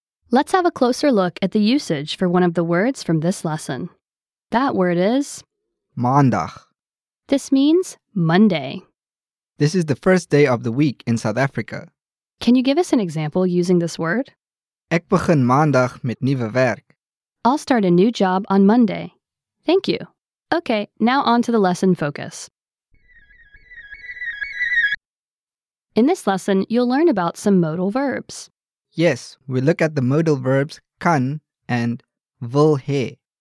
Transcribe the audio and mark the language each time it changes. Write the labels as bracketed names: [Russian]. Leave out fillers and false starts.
[English] Let's have a closer look at the usage for one of the words from this lesson. That word is [Afrikaans] Maandag. [English] This means Monday. This is the first day of the week in South Africa. Can you give us an example using this word? [Afrikaans] Ek begin maandag met nuwe werk. [English] I'll start a new job on Monday. Thank you. Okay, now on to the lesson focus. In this lesson, you'll learn about some modal verbs. Yes, we look at the modal verbs kan and wil hê.